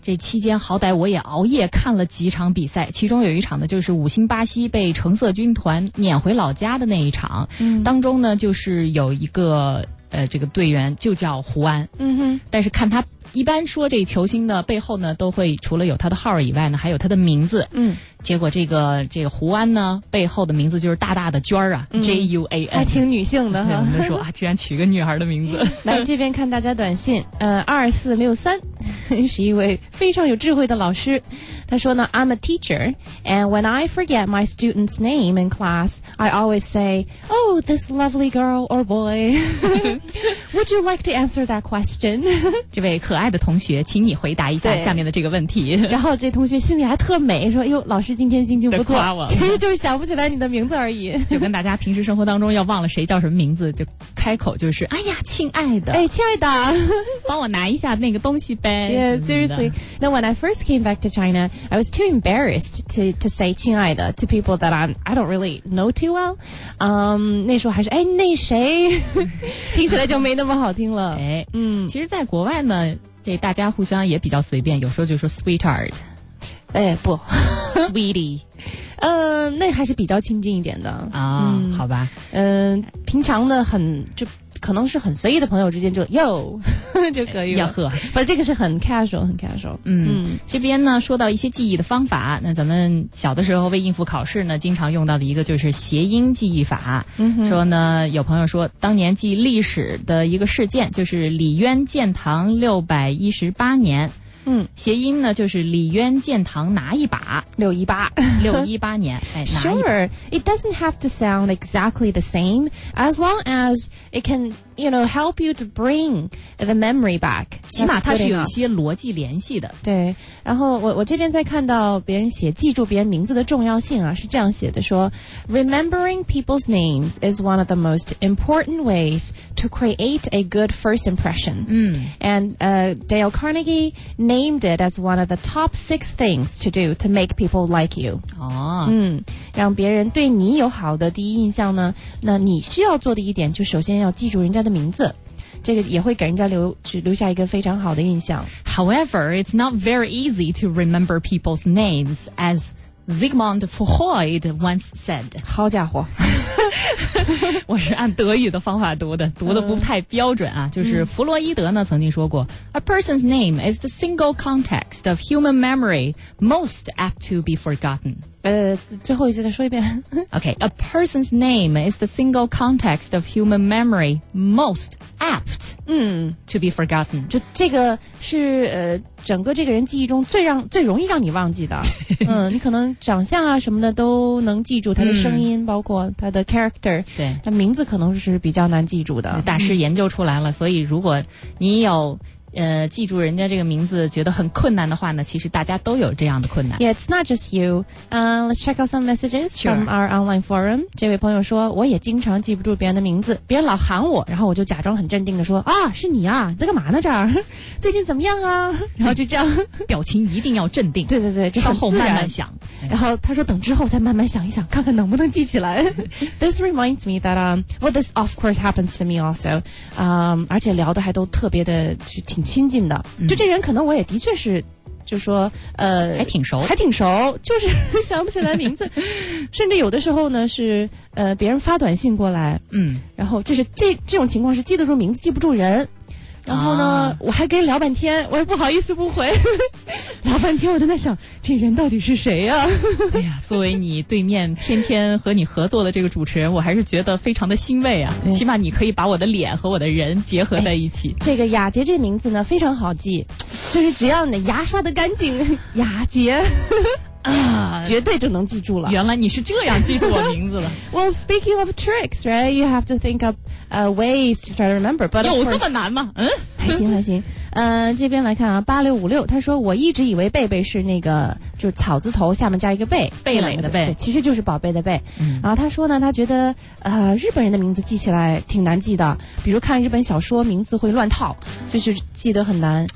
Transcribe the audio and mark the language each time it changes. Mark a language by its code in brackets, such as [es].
[zh] 这期间好歹我也熬夜看了几场比赛，其中有一场呢就是五星巴西被橙色军团撵回老家的那一场，当中呢就是有一个这个队员就叫胡安，但是看他一般说这球星的背后呢都会除了有他的号以外呢还有他的名字，结果这个胡安呢背后的名字就是大大的娟儿啊、J-U-A-N，还挺女性的哈。我们就说啊，居然取个女孩的名字。来这边看大家短信，2463是一位非常有智慧的老师，他说呢 [en] I'm a teacher and when I forget my student's name in class I always say Oh this lovely girl or boy Would you like to answer that question [zh] 这位可爱的同学请你回答一下下面的这个问题。然后这同学心里还特美，说哟老师今天心情不错，夸我，其实就是想不起来你的名字而已。就跟大家平时生活当中要忘了谁叫什么名字，就开口就是哎呀亲爱的，哎亲爱的帮我拿一下那个东西呗。 [en] Yeah, seriously. Now, when I first came back to China, I was too embarrassed to say [zh] 亲爱的 [en] to people that I don't really know too well. [zh] 那时候还是哎那谁听起来就没那么好听了。哎，其实在国外呢，这大家互相也比较随便，有时候就说 [en] sweetheart。 [zh] 哎不， [en] sweetie。 [zh] 那还是比较亲近一点的啊、好吧。平常的很就。可能是很随意的朋友之间就 yo 就可以了，要喝，不这个是很 [en] casual [zh] 很 casual。这边呢说到一些记忆的方法，那咱们小的时候为应付考试呢经常用到的一个就是谐音记忆法。说呢有朋友说当年记历史的一个事件就是李渊建唐618年，谐音呢就是李渊建唐拿一把， 618年、哎、 [en] Sure, it doesn't have to sound exactly the same as long as it can, you know, help you to bring the memory back. [zh] 起码它是有一些逻辑联系的。对，然后我这边在看到别人写记住别人名字的重要性啊，是这样写的，说 [en] Remembering people's names is one of the most important ways to create a good first impression. And Dale Carnegie named it as one of the top 6 things to do to make people like you. [zh] 让别人对你有好的第一印象呢，那你需要做的一点就首先要记住人家的名字，这个也会给人家留下一个非常好的印象。 [en] However, it's not very easy to remember people's names as Sigmund Freud once said. [zh] 好家伙我是按德语的方法读的，读的不太标准啊。就是弗洛伊德呢曾经说过 [en] A person's name is the single context of human memory most apt to be forgotten. [zh] 最后一句再说一遍。 [en] Okay, a person's name is the single context of human memory most apt to be forgotten. [zh] 就这个是整个这个人记忆中最容易让你忘记的。你可能长相啊什么的都能记住，他的声音包括他的character，对，他名字可能是比较难记住的。大师研究出来了，所以如果你有记住人家这个名字觉得很困难的话呢，其实大家都有这样的困难。 [en] Yeah, it's not just you. Let's check out some messages from our online forum. [zh] 这位朋友说，我也经常记不住别人的名字，别人老喊我，然后我就假装很镇定的说啊，是你啊，你在干嘛呢这儿？最近怎么样啊？然后就这样，表情一定要镇定。对对对，就稍后慢慢想。然后他说等之后再慢慢想一想，看看能不能记起来。 [en] This reminds me that well, this of course happens to me also. [zh] 而且聊的还都特别的就挺亲近的，就这人可能我也的确是就说还挺熟还挺熟，就是想不起来名字。甚至有的时候呢是别人发短信过来，然后就是这种情况是记得住名字记不住人，然后呢我还跟聊半天，我也不好意思不回。聊半天我在那想这人到底是谁呀、啊、哎呀，作为你对面天天和你合作的这个主持人，我还是觉得非常的欣慰啊，起码你可以把我的脸和我的人结合在一起、哎、这个雅洁这名字呢非常好记，就是只要你的牙刷得干净，雅洁啊，绝对就能记住了。原来你是这样记住我名字了。 [en] Well, speaking of tricks, right? You have to think up ways to try to remember. But [zh] 有这么难吗？还行还行。这边来看啊，8656，他说我一直以为贝贝是那个就是草字头下面加一个贝，贝蕾的贝，其实就是宝贝的贝。然后他说呢，他觉得日本人的名字记起来挺难记的，比如看日本小说名字会乱套，就是记得很难。